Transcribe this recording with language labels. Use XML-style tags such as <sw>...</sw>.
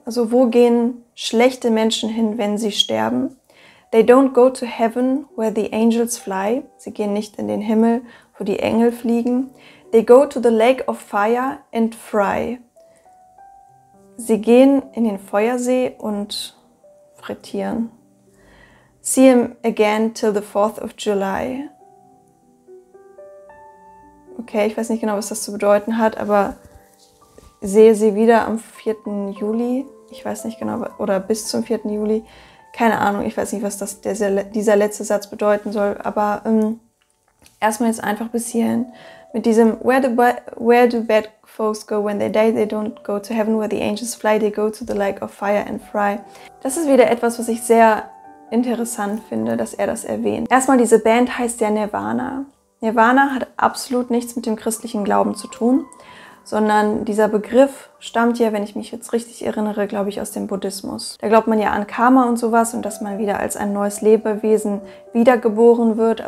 <de>Also wo gehen schlechte Menschen hin, wenn sie sterben?</de> <en>They don't go to heaven where the angels fly.</en> <de>Sie gehen nicht in den Himmel, wo die Engel fliegen.</de> <en>They go to the lake of fire and fry.</en> <de>Sie gehen in den Feuersee und frittieren.</de> <en>See him again till the 4th of July.</en> <de>Okay, ich weiß nicht genau, was das zu bedeuten hat, aber sehe sie wieder am 4. Juli. Ich weiß nicht genau, oder bis zum 4. Juli. Keine Ahnung, ich weiß nicht, was das dieser letzte Satz bedeuten soll. Aber erstmal jetzt einfach bis hierhin. Mit diesem</de> <en>where do bad folks go when they die? They don't go to heaven where the angels fly. They go to the lake of fire and fry.</en> <de>Das ist wieder etwas, was ich sehr interessant finde, dass er das erwähnt. Erstmal, diese Band heißt ja Nirvana. Nirvana hat absolut nichts mit dem christlichen Glauben zu tun, sondern dieser Begriff stammt ja, wenn ich mich jetzt richtig erinnere, glaube ich, aus dem Buddhismus. Da glaubt man ja an Karma und sowas und dass man wieder als ein neues Lebewesen wiedergeboren wird.</de>